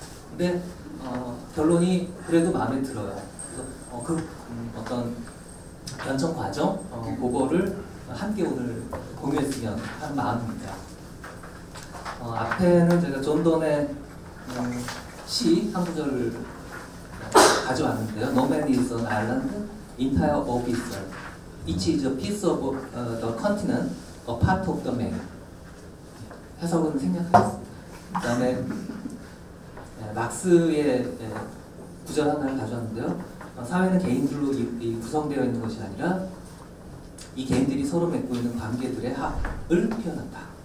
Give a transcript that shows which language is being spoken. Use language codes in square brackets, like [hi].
[ko] 근데 결론이 그래도 마음에 들어요. 그래서 어떤 연청 과정 그거를 함께 오늘 공유했으면 하는 마음입니다. 앞에는 제가 존 던의 시 한 구절을 가져왔는데요. [en] No man is an island, entire of itself. It is a piece of the continent, a part of the man. [ko] 해석은 생략하겠습니다. 그 다음에 막스의 구절 하나를 가져왔는데요. 사회는 개인들로 구성되어 있는 것이 아니라 이 개인들이 서로 맺고 있는 관계들의 합을 표현한다.